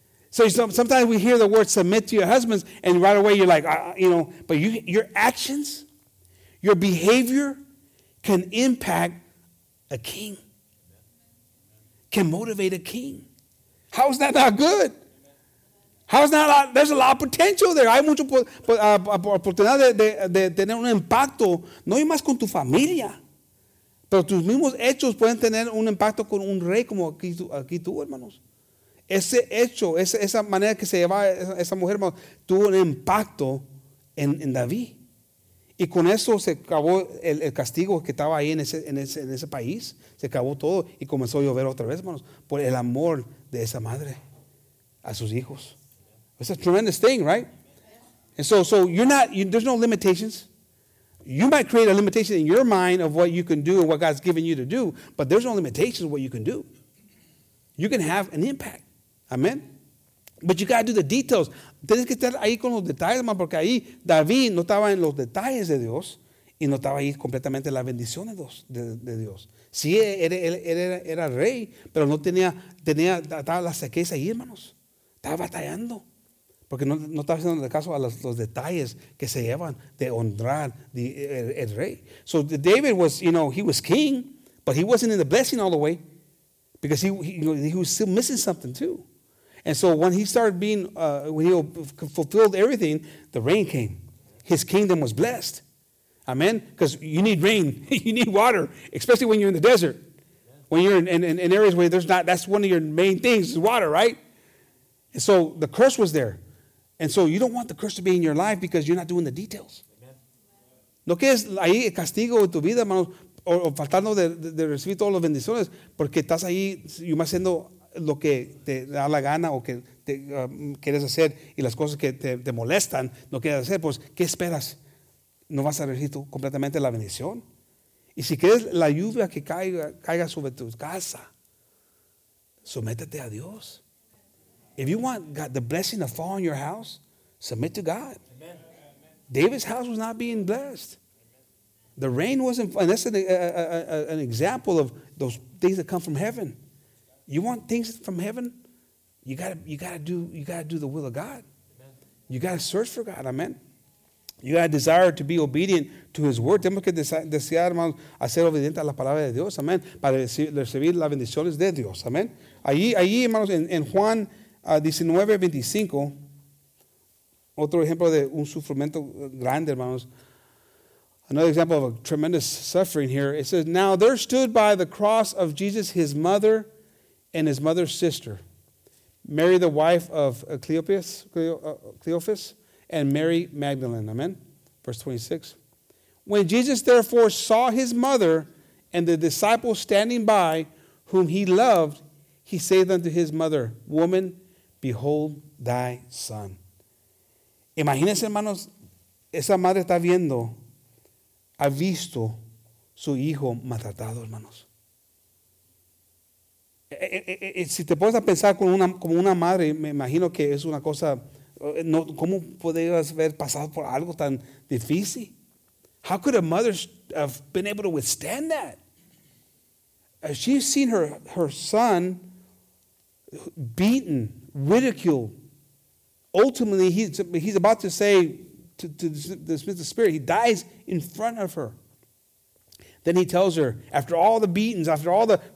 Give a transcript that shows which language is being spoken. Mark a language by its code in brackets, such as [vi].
[en] So sometimes we hear the word submit to your husbands and right away you're like, but your actions, your behavior can impact a king, can motivate a king. How is that not good? How is that not, there's a lot of potential there. [es] Hay mucha oportunidad de tener un impacto, no más con tu familia, pero tus mismos hechos pueden tener un impacto con un rey como aquí tú, hermanos. Ese hecho, esa manera que se llevaba esa mujer, hermanos, tuvo un impacto en David. Y con eso se acabó el castigo que estaba ahí en ese país. Se acabó todo y comenzó a llover otra vez, hermanos, por el amor de esa madre a sus hijos. [en] It's a tremendous thing, right? And so there's no limitations. You might create a limitation in your mind of what you can do and what God's given you to do, but there's no limitations of what you can do. You can have an impact. Amen. But you got to do the details. [es] Tienes que estar ahí con los detalles, hermano, porque ahí David no estaba en los detalles de Dios y no estaba ahí completamente la bendición de Dios. Sí, él era rey, pero no tenía estaba la sequía ahí, hermanos. Estaba batallando porque no estaba haciendo caso a los detalles que se llevan de honrar el rey. [en] So David was, he was king, but he wasn't in the blessing all the way because he was still missing something too. And so when he started being, when he fulfilled everything, the rain came. His kingdom was blessed. Amen? Because you need rain. You need water. Especially when you're in the desert. When you're in areas where there's not, that's one of your main things is water, right? And so the curse was there. And so you don't want the curse to be in your life because you're not doing the details. [es] No quieres ahí el castigo en tu vida, hermanos, o faltando de recibir todas las bendiciones, porque estás ahí, y más siendo lo que te da la gana o que te quieres hacer y las cosas que te molestan no quieres hacer, pues ¿qué esperas? No vas a recibir tú completamente la bendición. Y si quieres la lluvia que caiga sobre tu casa, sométete a Dios. [en] If you want God, the blessing to fall on your house, submit to God. Amen. David's house was not being blessed. Amen. The rain wasn't, and that's an example of those things that come from heaven. You want things from heaven? You gotta do the will of God. Amen. You gotta search for God. Amen. You gotta desire to be obedient to His word. [es] Tenemos que desear, hermanos, hacer obediente a la palabra de Dios. Amen. Para recibir las bendiciones de Dios. Amen. Allí, hermanos, en Juan 19:25, otro ejemplo de un sufrimiento grande, hermanos. [en] Another example of a tremendous suffering here. It says, "Now there stood by the cross of Jesus His mother and his mother's sister, Mary the wife of Cleophas, and Mary Magdalene." Amen. Verse 26. "When Jesus therefore saw his mother and the disciple standing by whom he loved, he said unto his mother, Woman, behold thy son." [es] Imagínense, hermanos, esa madre está viendo, ha visto su hijo maltratado, hermanos. Si te pones a pensar como una madre, me imagino que es una cosa, no, ¿cómo podrías haber pasado por algo tan difícil? [en] How could a mother have been able to withstand that? She's seen her son beaten, ridiculed. Ultimately, he's about to say to dismiss the spirit. He dies in front of her. Then he tells her, after all the beatings, after all the